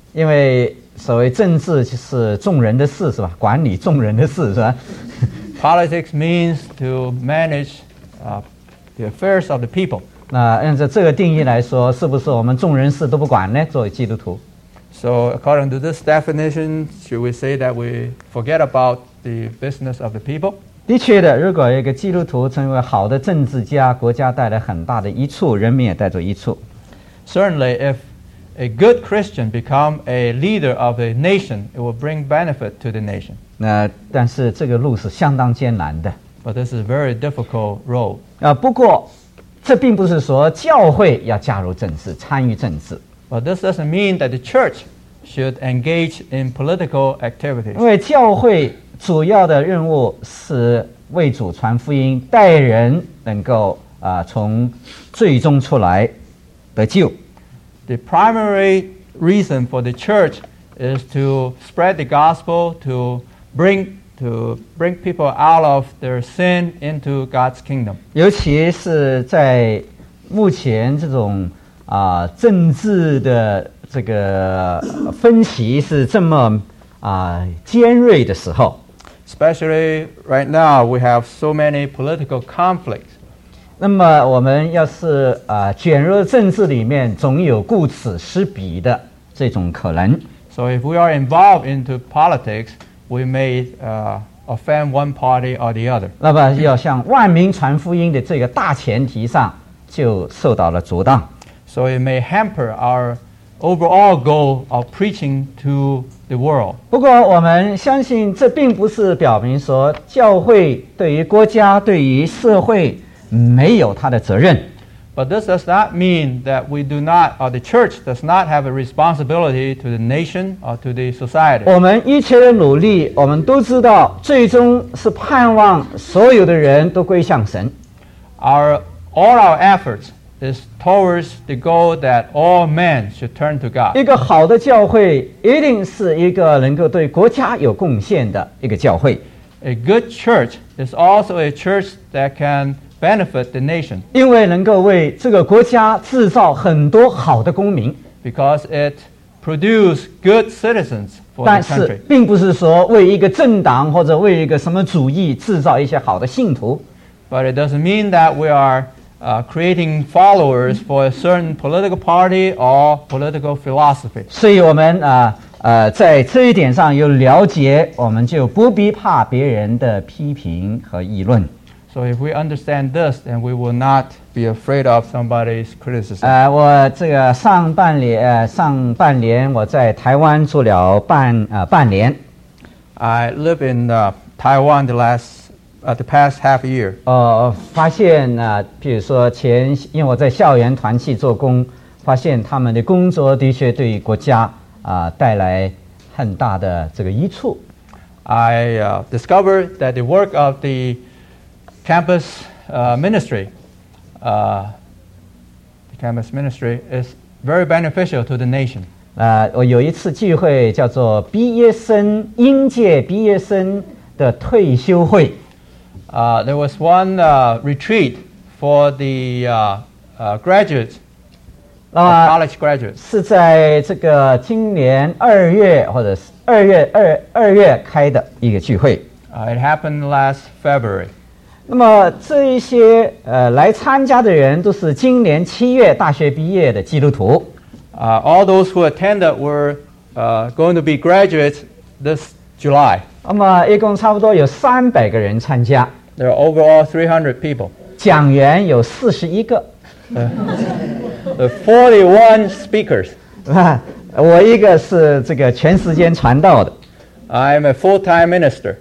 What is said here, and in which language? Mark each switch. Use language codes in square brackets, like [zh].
[zh] 因为所谓政治就是众人的事是吧？管理众人的事是吧？ [en] Politics means to manage the affairs of the people. [zh] 那按照这个定义来说，是不是我们众人事都不管呢？作为基督徒。 [en] So according to this definition, should we say that we forget about the business of the people? [zh] 的确的，如果一个基督徒成为好的政治家，国家带来很大的益处，人民也带着益处。 [en] Certainly, if a good Christian become a leader of a nation, it will bring benefit to the nation. [zh] 但是这个路是相当艰难的。 [en] But this is a very difficult road. [zh] 不过这并不是说教会要加入政治，参与政治。 [en] But this doesn't mean that the church should engage in political activities. [zh] 因为教会主要的任务是为主传福音，带人能够从罪中出来得救。 [en] The primary reason for the church is to spread the gospel, to bring people out of their sin into God's kingdom. [zh] 尤其是在目前这种政治的这个分歧是这么尖锐的时候。 [en] Especially right now, we have so many political conflicts. [zh] 那么我们要是卷入政治里面，总有顾此失彼的这种可能。 [en] So if we are involved into politics, we may offend one party or the other. [zh] 那么要向万民传福音的这个大前提上就受到了阻挡。 [en] So it may hamper our overall goal of preaching to the world. [zh] 不过我们相信这并不是表明说教会对于国家对于社会没有它的责任。 [en] But this does not mean that we do not, or the church does not have a responsibility to the nation or to the society. [zh] 我们一切的努力，我们都知道，最终是盼望所有的人都归向神。 [en] All our efforts is towards the goal that all men should turn to God. [zh] 一个好的教会一定是一个能够对国家有贡献的一个教会。 [en] A good church is also a church that can benefit the nation. [zh] 因为能够为这个国家制造很多好的公民。 [en] Because it produces good citizens for the country. [zh] 但是并不是说为一个政党或者为一个什么主义制造一些好的信徒。 [en] But it doesn't mean that we are creating followers for a certain political party or political philosophy. [zh] 所以我们在这一点上有了解，我们就不必怕别人的批评和议论。 [en] So if we understand this, then we will not be afraid of somebody's criticism. [zh] 我这个上半年我在台湾住了半年。 [en] I live in Taiwan the past half year. [zh] 发现比如说前，因为我在校园团契做工，发现他们的工作的确对于国家带来很大的这个益处。 [en] I discovered that the work of the campus ministry, the campus ministry is very beneficial to the nation. [zh] 我有一次聚会叫做毕业生应届毕业生的退休会。 [en] There was one retreat for the graduates, college graduates. [zh] 是在这个今年二月或者是二月开的一个聚会。 [en] It happened last February. [zh] 那么这一些来参加的人都是今年七月大学毕业的基督徒。 [en] All those who attended were going to be graduates this July. [zh] 那么一共差不多有300个人参加。 [en] There are overall 300 people. [zh] 讲员有41个。 [en] 41 speakers. [zh] 我一个是这个全时间传道的。 [en] I'm a full-time minister.